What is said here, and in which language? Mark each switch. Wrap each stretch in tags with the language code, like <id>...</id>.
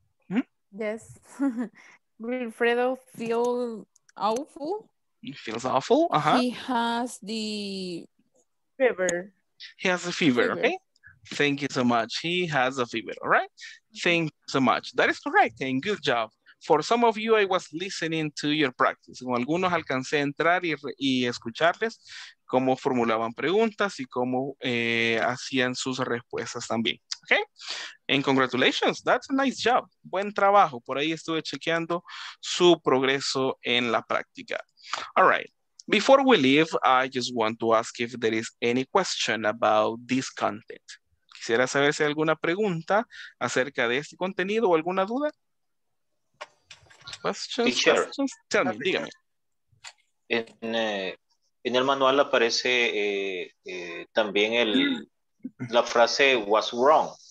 <en>Mm-hmm. Yes. Wilfredo feels awful. He feels awful. Uh-huh. He has the fever. He has a fever. Okay. Thank you so much. He has a fever. All right. Thank you so much. That is correct. And good job. For some of you, I was listening to your practice.</en> <es>Con algunos alcancé a entrar y escucharles cómo formulaban preguntas y cómo hacían sus respuestas también.</es> <en>Okay. And congratulations. That's a nice job.</en> <es>Buen trabajo. Por ahí estuve chequeando su progreso en la práctica.</es> <en>All right. Before we leave, I just want to ask if there is any question about this content.</en> <es>Quisiera saber si hay alguna pregunta acerca de este contenido o alguna duda.</es> <en>Questions? Tell me,</en> <es>dígame. En el manual aparece también el la frase</es> <en>what's wrong.</en>